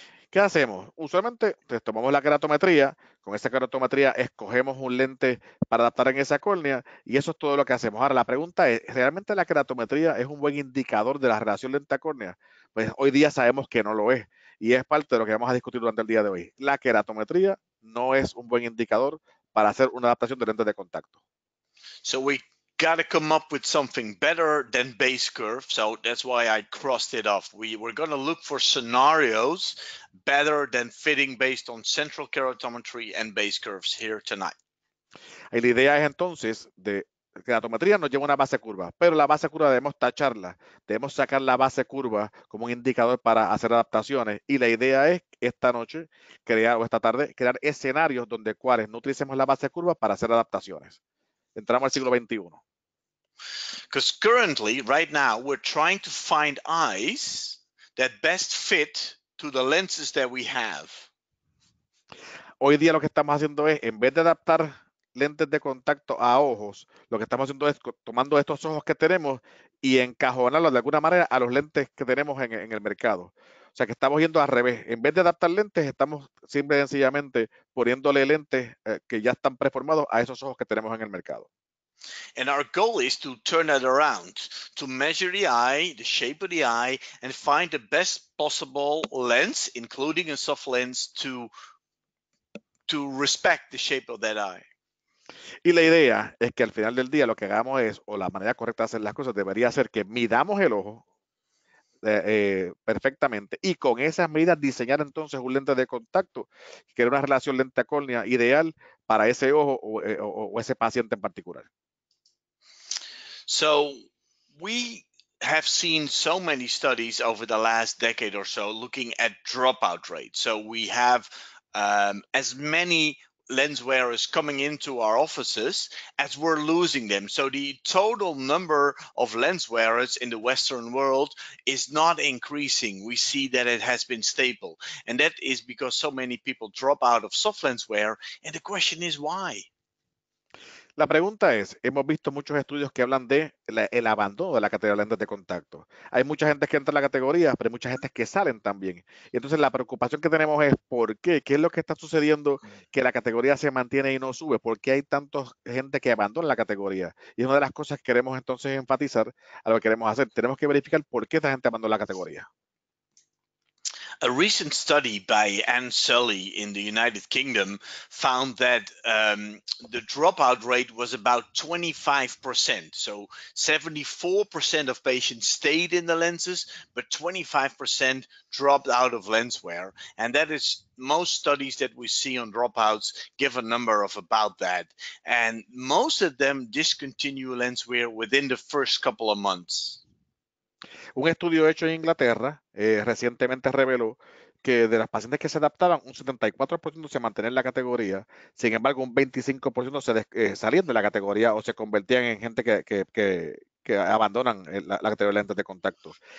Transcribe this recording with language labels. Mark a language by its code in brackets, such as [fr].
[es] ¿Qué hacemos? Usualmente tomamos la keratometría, con esa keratometría escogemos un lente para adaptar en esa córnea y eso es todo lo que hacemos. Ahora la pregunta es, ¿realmente la keratometría es un buen indicador de la relación lente-córnea? Pues hoy día sabemos que no lo es y es parte de lo que vamos a discutir durante el día de hoy. La keratometría no es un buen indicador para hacer una adaptación de lentes de contacto. [en] So we got to come up with something better than base curve. So that's why I crossed it off. We were going to look for scenarios better than fitting based on central keratometry and base curves here tonight. [es] La idea es entonces de keratometría nos lleva una base curva, pero la base curva debemos tacharla. Debemos sacar la base curva como un indicador para hacer adaptaciones. Y la idea es esta noche, crear o esta tarde, crear escenarios donde cuales no utilicemos la base curva para hacer adaptaciones. Entramos al siglo 21. [en] Because currently, right now, we're trying to find eyes that best fit to the lenses that we have. [es] Hoy día lo que estamos haciendo es, en vez de adaptar lentes de contacto a ojos, lo que estamos haciendo es tomando estos ojos que tenemos y encajonarlos de alguna manera a los lentes que tenemos en el mercado. O sea que estamos yendo al revés. En vez de adaptar lentes, estamos simple y sencillamente poniéndole lentes que ya están preformados a esos ojos que tenemos en el mercado. [en] And our goal is to turn that around, to measure the eye, the shape of the eye, and find the best possible lens, including a soft lens, to respect the shape of that eye. [es] Y la idea es que al final del día lo que hagamos es, o la manera correcta de hacer las cosas debería ser que midamos el ojo perfectamente y con esas medidas diseñar entonces un lente de contacto que era una relación lente-córnea ideal para ese ojo o ese paciente en particular. [en] So we have seen so many studies over the last decade or so looking at dropout rates. So we have as many lens wearers coming into our offices as we're losing them. So the total number of lens wearers in the Western world is not increasing. We see that it has been stable. And that is because so many people drop out of soft lens wear. And the question is why? [es] La pregunta es, hemos visto muchos estudios que hablan de el abandono de la categoría de lentes de contacto. Hay mucha gente que entra en la categoría, pero hay mucha gente que salen también. Y entonces la preocupación que tenemos es, ¿por qué? ¿Qué es lo que está sucediendo que la categoría se mantiene y no sube? ¿Por qué hay tanta gente que abandona la categoría? Y es una de las cosas que queremos entonces enfatizar a lo que queremos hacer. Tenemos que verificar por qué esta gente abandona la categoría. [en] A recent study by Ann Sully in the United Kingdom found that the dropout rate was about 25%. So 74% of patients stayed in the lenses, but 25% dropped out of lens wear. And that is most studies that we see on dropouts give a number of about that. And most of them discontinue lens wear within the first couple of months. [es] Un estudio hecho en Inglaterra recientemente reveló que de las pacientes que se adaptaban, un 74% se mantenía en la categoría, sin embargo, un 25% salían de la categoría o se convertían en gente que abandonan la categoría de lentes de contacto.